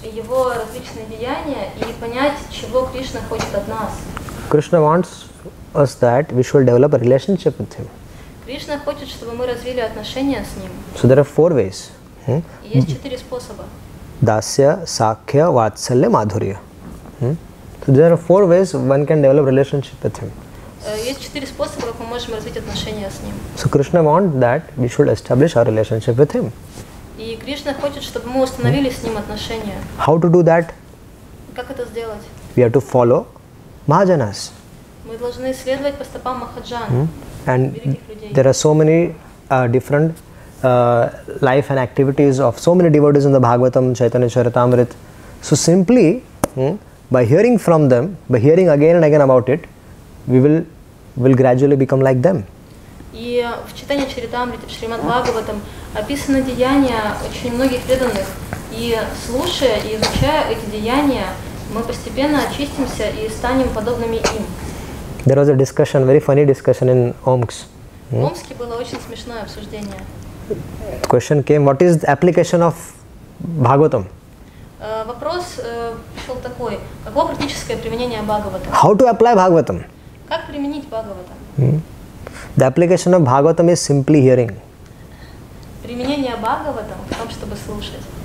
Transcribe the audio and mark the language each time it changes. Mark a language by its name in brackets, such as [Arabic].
[Russian] Его различные деяния и понять, чего Кришна хочет от нас. [English] Krishna wants us that we should develop a relationship with him. [Russian] Кришна хочет, чтобы мы развили отношения с ним. [English] So there are four ways. [Russian] Есть четыре способа. [Sanskrit] Dasya, Sakya, Vatsalya, Madhurya. [English] So there are four ways one can develop relationship with him. So Krishna wants that we should establish our relationship with him. How to do that? [Russian] Как это сделать? [English] We have to follow Mahajanas. [Russian] Мы должны следовать по стопам Махаджан. [English] And there are so many different life and activities of so many devotees in the Bhagavatam, Chaitanya Charitamrita. So simply, by hearing from them, by hearing again and again about it, we will gradually become like them. [Russian] И в Чайтанья Чаритамрите, в Шримад Бхагаватам описаны деяния очень многих преданных. И слушая и изучая эти деяния, мы постепенно очистимся и станем подобными им. [English] There was a discussion, very funny discussion in Омск. [Russian] В Омске было очень смешное обсуждение. [English] The question came, what is the application of Bhagavatam? [Russian] Вопрос пришел такой, какое практическое применение Бхагаватам? [English] How to apply Bhagavatam? [Russian] Как применить Бхагаватам? [English] The application of Bhagavatam is simply hearing. [Russian] Применение Бхагаватам в том, чтобы слушать.